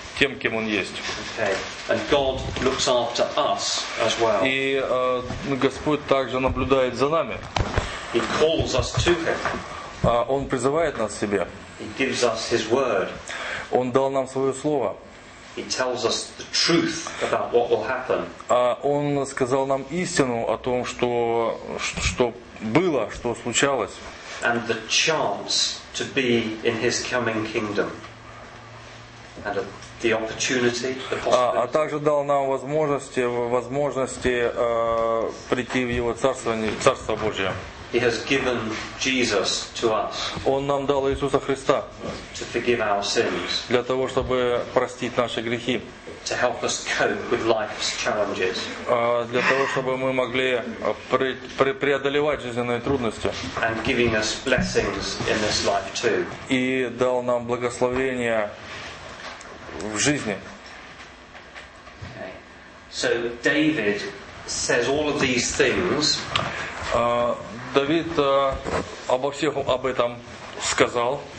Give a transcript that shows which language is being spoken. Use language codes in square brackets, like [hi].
[ru] Тем, кем он есть. [en] Okay. And God looks after us as well. [ru] И Господь также наблюдает за нами. [en] He calls us to him. [ru] Он призывает нас к себе. [en] He gives us his word. [ru] Он дал нам свое слово. [en] He tells us the truth about what will happen. [ru] Он сказал нам истину о том, что было, что случалось. [en] And the chance to be in his coming kingdom. And the opportunity, the possibility. [ru] А также дал нам возможности прийти в его царство Божие. [en] He has given Jesus to us. [ru] Он нам дал Иисуса Христа. [en] To forgive our sins. [ru] Для того, чтобы простить наши грехи. [en] To help us cope with life's challenges. [ru] Для того, чтобы мы могли преодолевать жизненные трудности. [en] And giving us blessings in this life too. [ru] И дал нам благословения в жизни. [en] So David says all of these things. [ru] Давид обо всех об этом сказал.